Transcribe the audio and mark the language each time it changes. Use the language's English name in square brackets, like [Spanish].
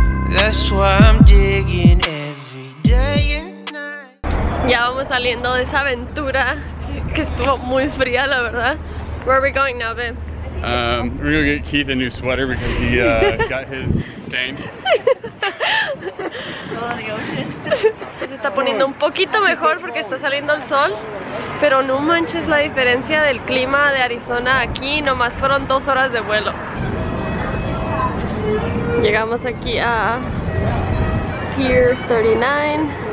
[English] That's why I'm digging every day and night. [Spanish] Ya vamos saliendo de esa aventura que estuvo muy fría, la verdad. [English] Where are we going now, babe? We're gonna get Keith a new sweater because he got his stain. [Spanish] Se está poniendo un poquito mejor porque está saliendo el sol. Pero no manches la diferencia del clima de Arizona aquí. Nomás fueron 2 horas de vuelo. Llegamos aquí a Pier 39.